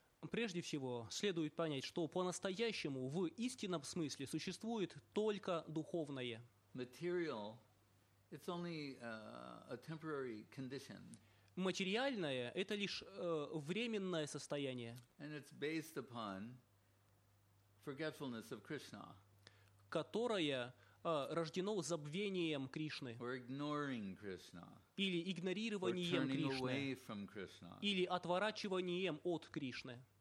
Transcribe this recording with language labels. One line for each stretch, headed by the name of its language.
Russian: Прежде всего, следует понять, что по-настоящему, в истинном смысле, существует только духовное.
English: Material, it's only a temporary condition.
Russian: Материальное – это лишь временное состояние.
English: And it's based upon forgetfulness of Krishna.
Russian: Которое рождено забвением Кришны.
English: Or ignoring Krishna.
Russian: Или игнорированием
English: Or turning
Russian: Кришны.
English: Away from Krishna.
Russian: Или отворачиванием от Кришны.